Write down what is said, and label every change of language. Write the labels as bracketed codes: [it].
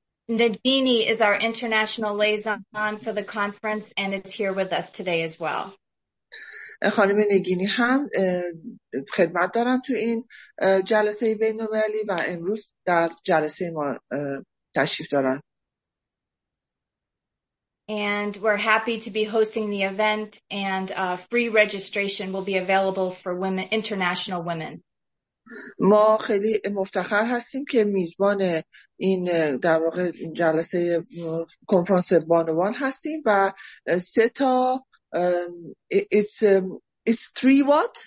[en] Nadini is our international liaison for the conference and is here with us today as well. [fa] خانم نگینی هم خدمت دارن تو این جلسه بین‌المللی و امروز در جلسه ما تشریف دارن. [en] And we're happy to be hosting the event and free registration will be available for women, international women. [fa] ما خیلی مفتخر هستیم که میزبان این در واقع جلسه کنفرانس بانوان هستیم و سه تا [en] it's three what?